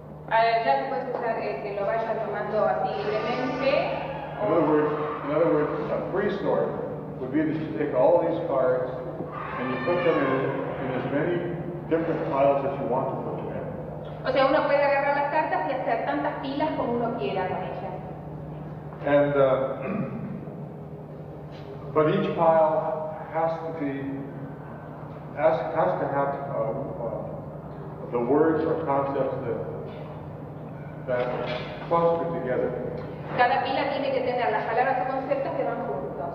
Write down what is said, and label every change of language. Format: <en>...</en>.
<es>Ya se puede usar que lo vaya tomando así libremente.</es> <en>In other words, a pre-sort. Would be that you take all these cards and you put them in as many different piles as you want to put them in.</en> <es>O sea, uno puede agarrar las cartas y hacer tantas pilas como uno quiera con ellas.</es> <en>And but each pile has to have the words or concepts that cluster together.</en> <es>Cada pila tiene que tener las palabras o conceptos que van juntos.</es>